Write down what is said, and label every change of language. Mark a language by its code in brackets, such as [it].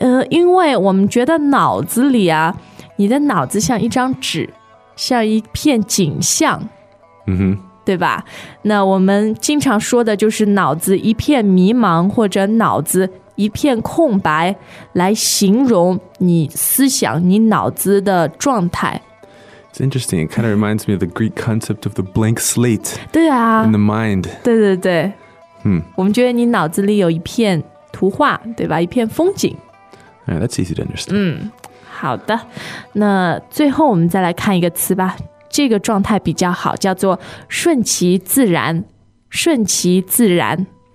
[zh] 因为我们觉得脑子里啊，你的脑子像一张纸，像一片景象，嗯哼，对吧？那我们经常说的就是脑子一片迷茫或者脑子一片空白，来形容你思想你脑子的状态。 [en] It's interesting. It kind of reminds me of the Greek concept of the blank slate. [zh] 对啊。 [en] In the mind. [zh] 对对对。嗯。我们觉得你脑子里有一片图画，对吧？一片风景。 [en] Yeah, that's easy to understand. [zh] 嗯，好的。那最后我们再来看一个词吧。这个状态比较好，叫做顺其自然。顺其自然。